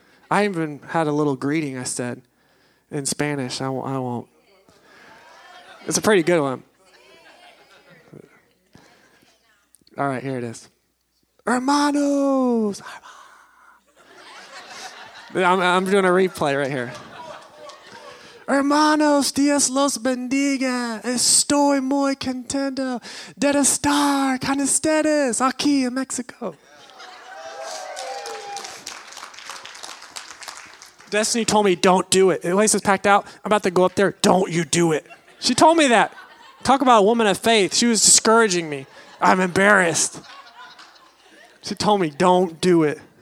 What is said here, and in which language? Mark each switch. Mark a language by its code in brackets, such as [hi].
[en] I even had a little greeting I said in Spanish. I won't. It's a pretty good one. All right, here it is. Hermanos. I'm doing a replay right here. [es] Hermanos, Dios los bendiga. Estoy muy contento de estar con ustedes aquí en Mexico. [en] Yeah. Destiny told me, don't do it. The place is packed out. I'm about to go up there. Don't you do it. She told me that. Talk about a woman of faith. She was discouraging me. I'm embarrassed. She told me, don't do it.